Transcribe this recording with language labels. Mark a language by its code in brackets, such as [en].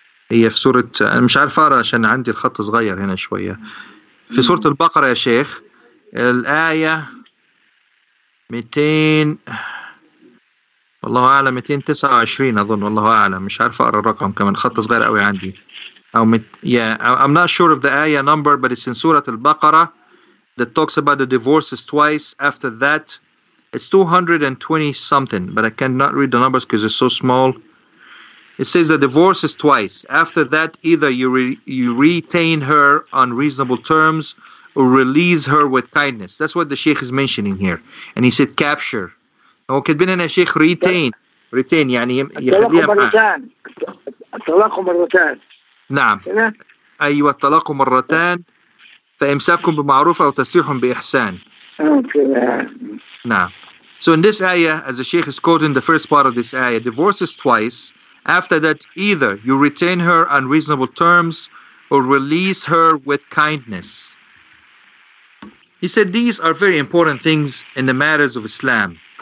[ar] هي في سورة أنا مش عارف أقرأ عشان عندي الخط صغير هنا شوية في سورة البقرة يا شيخ الآية 200 والله أعلم 229 أظن والله أعلم مش عارف أقرأ الرقم كمان خط صغير قوي عندي أو [en] I'm not sure of the ayah number but it's in سورة البقرة that talks about the divorces twice after that it's 220 something but I cannot read the numbers because it's so small. It says the divorce is twice. After that, either you retain her on reasonable terms or release her with kindness. That's what the Sheikh is mentioning here. And he said capture. [ar] وكتب لنا الشيخ retain. Retain يعني يخليها معاه. الطلاق مرتان. نعم أيوة الطلاق مرتان فإمساكهم بمعروف أو تسريحهم بإحسان. نعم. [en] So in this ayah, as the Sheikh is quoting the first part of this ayah, divorce is twice. After that, either you retain her on reasonable terms or release her with kindness. He said these are very important things in the matters of Islam.